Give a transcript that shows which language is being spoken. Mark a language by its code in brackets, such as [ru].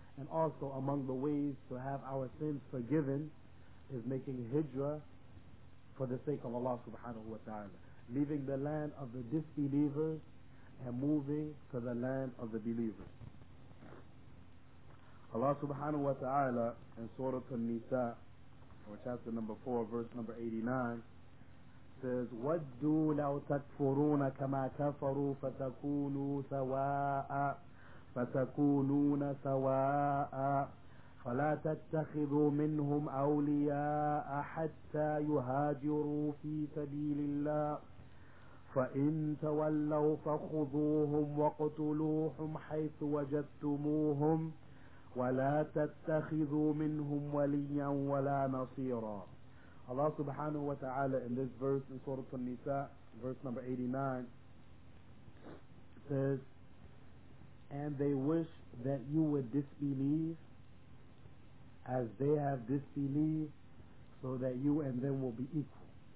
[en] And also among the ways to have our sins forgiven is making hijrah for the sake of Allah subhanahu wa ta'ala, leaving the land of the disbelievers and moving to the land of the believers. Allah subhanahu wa ta'ala in Surah An-Nisa, or chapter number 4, verse number 89, says, [ar] وَدُّوا لَوْ تَكْفُرُونَ كَمَا كَفَرُوا فَتَكُونُوا سَوَاءً فتكونون سواء فلا تتخذوا منهم أولياء حتى يهاجروا في سبيل الله فإن تولوا فخذوهم واقتلوهم حيث وجدتموهم ولا تتخذوا منهم وليا ولا نصيرا. [en] الله سبحانه وتعالى in this verse in Surah An-Nisa, verse number 89, says, and they wish that you would disbelieve as they have disbelieved so that you and them will be equal.